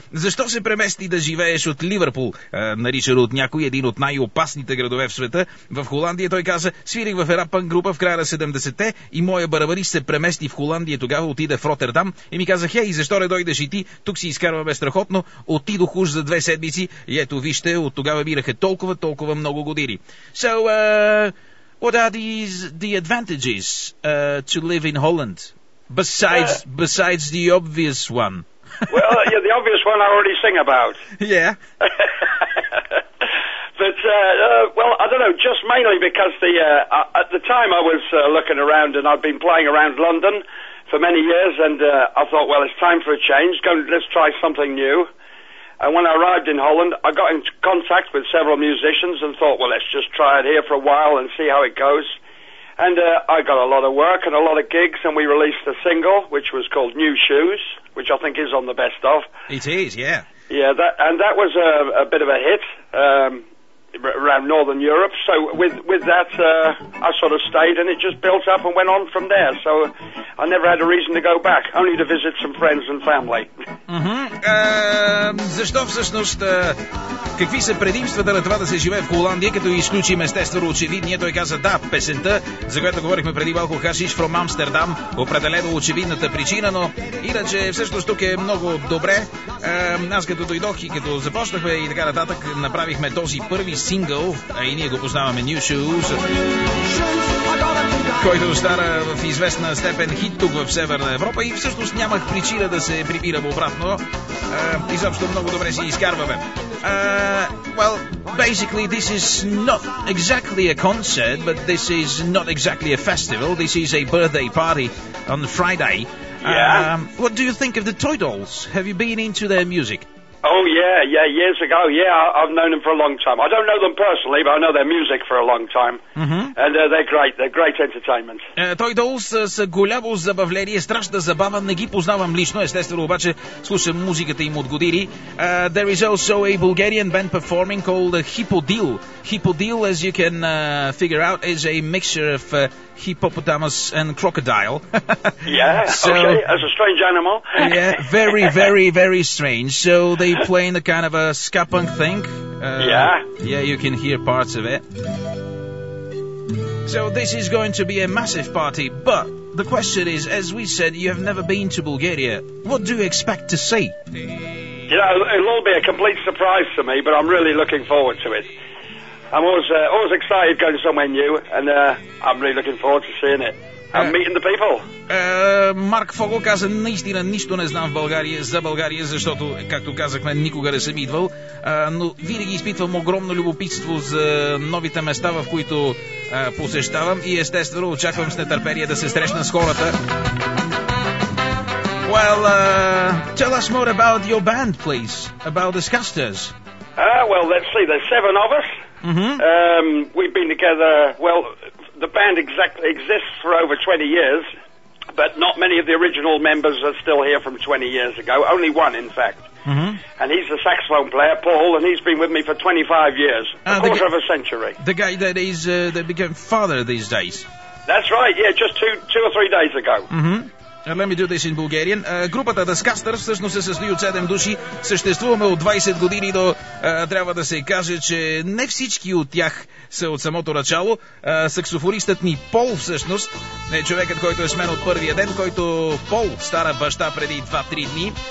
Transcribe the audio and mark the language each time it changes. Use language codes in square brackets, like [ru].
[bg] Защо се премести да живееш от Ливърпул, наричан от някой един от най-опасните градове в света, в Холандия? Той каза, свирих в една панк група в края на 70-те и моя барабанист се премести в Холандия, тогава отиде в Ротердам и ми каза, хей, защо не дойдеш и ти, тук си изкарваме страхотно, отидох уж за 2 седмици и ето вижте, от тогава минаха толкова много години. [en] So, what are the advantages to live in Holland, besides the obvious one? Well, yeah, the obvious one I already sing about. Yeah. But well, I don't know, just mainly because the at the time I was looking around, and I'd been playing around London for many years, and I thought, well, it's time for a change. Let's try something new. And when I arrived in Holland, I got in contact with several musicians and thought, well, let's just try it here for a while and see how it goes. And I got a lot of work and a lot of gigs, and we released a single, which was called New Shoes, which I think is on the best of. It is, yeah. Yeah, that was a bit of a hit around Northern Europe. So with that, I sort of stayed, and it just built up and went on from there. So I never had a reason to go back, only to visit some friends and family. Mm-hmm. [bg] Защо всъщност, какви са предимствата на това да се живее в Холандия, като изключим естествено очевидния? Той каза да, песента, за която говорихме преди малко, Хашиш from Amsterdam, определено очевидната причина, но иначе всъщност тук е много добре. Аз като дойдох и като започнахме и така нататък, направихме този първи сингъл, а и ние го познаваме, New Shoes, който стара в известна степен хит тук в Северна Европа, и всъщност нямах причина да се прибирам обратно. Изобщо много добре си изкарваме. [en] Well, basically this is not exactly a concert, but this is not exactly a festival. This is a birthday party on Friday. What do you think of the Toy Dolls? Have you been into their music? Oh, yeah, years ago, yeah, I've known them for a long time. I don't know them personally, but I know their music for a long time. Mm-hmm. And they're great entertainment. [bg] Toy Dolls са голямо забавление, страшна забава. Не ги познавам лично, естествено, обаче слушам музиката им от години. [en] There is also a Bulgarian band performing called Hippodil. Hippodil, as you can figure out, is a mixture of hippopotamus and crocodile. Yeah, so, okay, that's a strange animal. Yeah, very, very, very strange. So they play in a kind of a ska punk thing. Yeah, you can hear parts of it. So this is going to be a massive party, but the question is, as we said, you have never been to Bulgaria. What do you expect to see? You know, it'll all be a complete surprise to me, but I'm really looking forward to it. I'm always excited going somewhere new, and I'm really looking forward to seeing it. I'm meeting the people. [bg] Марк Фогъл каза, наистина нищо не знам в България, за България, защото, както казахме, никога не съм идвал. Но винаги изпитвам огромно любопитство за новите места, в които посещавам, и естествено очаквам с нетърпение да се срещна с хората. [en] Well, tell us more about your band, please. About the Scusters. Well, let's see, there's seven of us. Mm-hmm. We've been together, well, the band exactly exists for over 20 years, but not many of the original members are still here from 20 years ago. Only one, in fact. Mm-hmm. And he's the saxophone player, Paul, and he's been with me for 25 years, a quarter of a century. The guy that is that became father these days. That's right, yeah, just two or three days ago. Mm-hmm. Let me do this in Bulgarian. [bg] Групата The Scusters всъщност се състои от 7 души. Съществуваме от 20 години, но трябва да се каже, че не всички от тях са от самото начало. Саксофонистът ни Пол всъщност е човекът, който е с мен от първия ден, който Пол стара баща преди 2-3 дни.